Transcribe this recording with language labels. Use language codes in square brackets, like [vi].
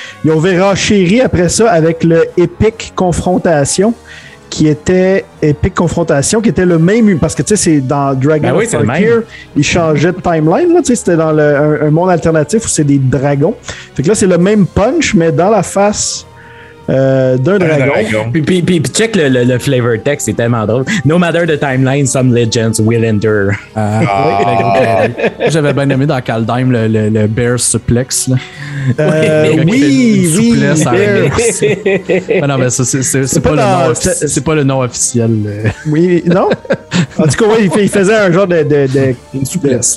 [fr] Ils ont renchéri après ça avec le Epic Confrontation, qui était le même, parce que tu sais, c'est dans Dragon ben [en] of Tarkir, [fr] oui, ils changeaient de timeline, là, tu sais, c'était dans un monde alternatif où c'est des dragons. Fait que là, c'est le même punch, mais dans la face d'un dragon. Puis check le flavor text, c'est tellement drôle. [en] No matter the timeline, some legends will endure. [fr] J'avais bien aimé dans Kaldheim le bear suplex. Là. Oui, une souplesse oui. Mais non, mais ça, c'est pas le nom officiel. Oui, non. En tout cas, ouais, il faisait un genre de une souplesse.